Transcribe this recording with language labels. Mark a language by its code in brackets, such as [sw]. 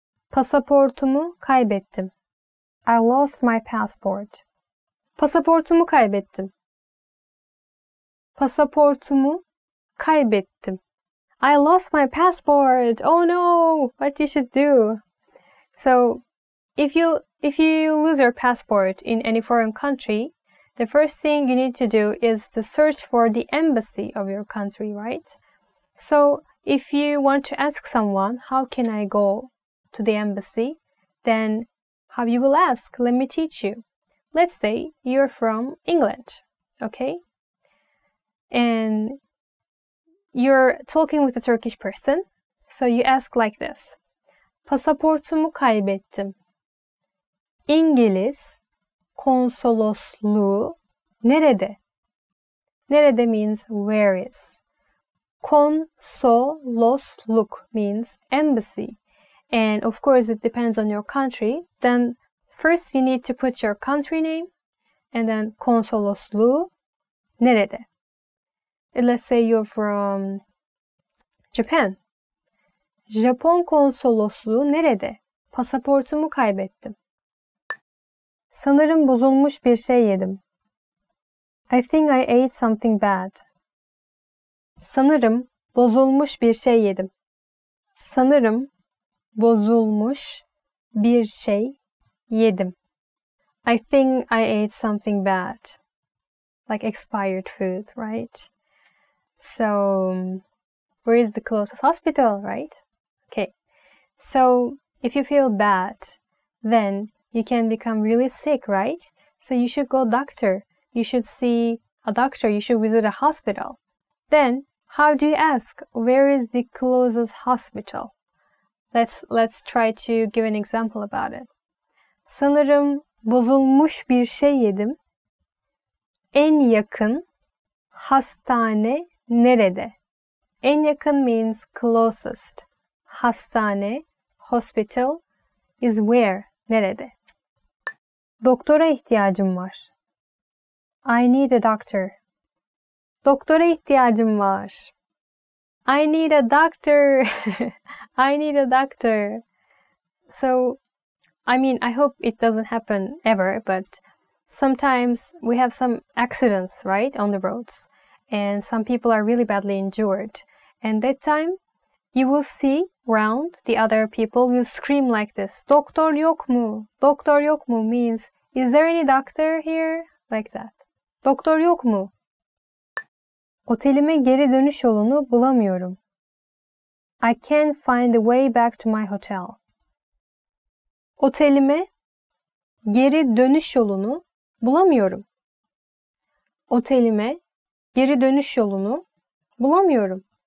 [tr] Pasaportumu kaybettim. [en] I lost my passport. [tr] Pasaportumu kaybettim. Pasaportumu kaybettim. [en] I lost my passport. Oh no! What you should do? So, if you lose your passport in any foreign country, the first thing you need to do is to search for the embassy of your country, right? So, if you want to ask someone, how can I go to the embassy? Then, how you will ask? Let me teach you. Let's say you're from England, okay? And you're talking with a Turkish person, so you ask like this. [tr] Pasaportumu kaybettim. İngiliz konsolosluğu nerede? [en] Nerede means where is. Konsolosluk means embassy. And of course, it depends on your country. Then first you need to put your country name and then [tr] konsolosluğu nerede. [en] Let's say you're from Japan. [tr] Japon konsolosluğu nerede? Pasaportumu kaybettim. Sanırım bozulmuş bir şey yedim. [en] I think I ate something bad. [tr] Sanırım bozulmuş bir şey yedim. Sanırım bozulmuş bir şey yedim. [en] I think I ate something bad. Like expired food, right? So, where is the closest hospital, right? Okay, so if you feel bad, then you can become really sick, right? So you should go doctor. You should see a doctor. You should visit a hospital. Then, how do you ask, where is the closest hospital? Let's try to give an example about it. [tr] Sanırım bozulmuş bir şey yedim. En yakın hastane nerede? [en] En yakın means closest. Hastane, hospital, is where, nerede? [tr] Doktora ihtiyacım var. [en] I need a doctor. [tr] Doktora ihtiyacım var. [en] I need a doctor. I need a doctor. So, I mean, I hope it doesn't happen ever, but sometimes we have some accidents, right, on the roads. And some people are really badly injured. And that time, you will see round the other people will scream like this. [tr] Doktor yok mu? Doktor yok mu [en] means, is there any doctor here? Like that. [tr] Doktor yok mu? Otelime geri dönüş yolunu bulamıyorum. [en] I can't find the way back to my hotel. [tr] Otelime geri dönüş yolunu bulamıyorum. Otelime geri dönüş yolunu bulamıyorum.